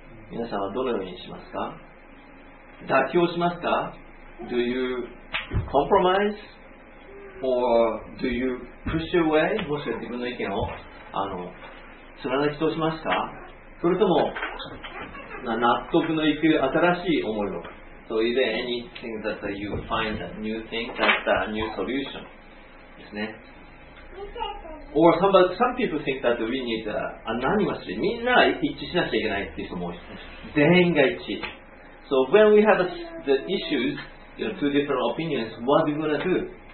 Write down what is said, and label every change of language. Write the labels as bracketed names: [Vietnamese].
[Japanese] 皆さんはどのようにしますか妥協しますか ? [English] Do you compromise? Or do you push away? [Japanese] もしは自分の意見を貫き通しますかそれとも納得のいく新しい思いを。 [English] So is there anything that you find a new thing, that a new solution? [Japanese] ですね。 [English] Or some people think that we need anonymous. [Japanese] みんな一致しなきゃいけないっていう人も多いです。全員が一致。 [English] So when we have the issues, you know, two different opinions, what are we going to do?